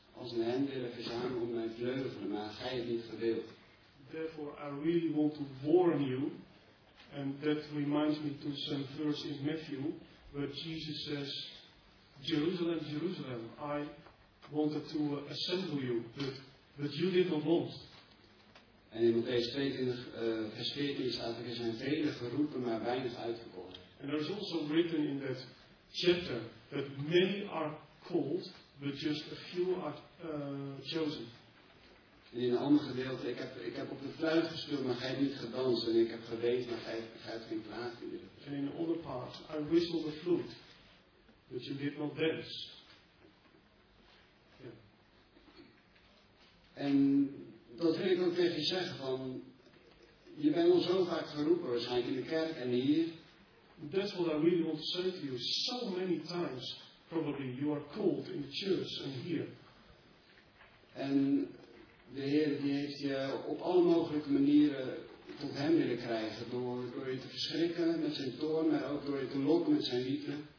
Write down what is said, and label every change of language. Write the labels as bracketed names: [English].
[Dutch] als een hen willen verzamelen om mijn vleugelen, maar gij het niet gewild. [English] Therefore, I really want to warn you, and that reminds me to some verse in Matthew, where Jesus says, Jerusalem, Jerusalem, I wanted to assemble you, but you did not want. [Dutch] En in Matthäus 22, vers 14 staat, er zijn vele geroepen, maar weinig uitgekozen. [English] And there is also written in that chapter, that many are called, but just a few are chosen. [Dutch] En in een ander gedeelte, ik heb op de fluit gespeeld, maar gij niet gedanst. En ik heb geweend, maar gij hebt geen plaat in je. [English] And in the other part, I whistled the flute, but you did not dance. Yeah. [Dutch] En dat wil ik ook tegen je zeggen, van, je bent al zo vaak geroepen, waarschijnlijk in de kerk en hier. [English] That's what I really want to say to you, so many times. Probably you are called in the church and here. [Dutch] En de Heer die heeft je op alle mogelijke manieren tot hem willen krijgen. Door je te verschrikken met zijn toorn, maar ook door je te lokken met zijn liefde.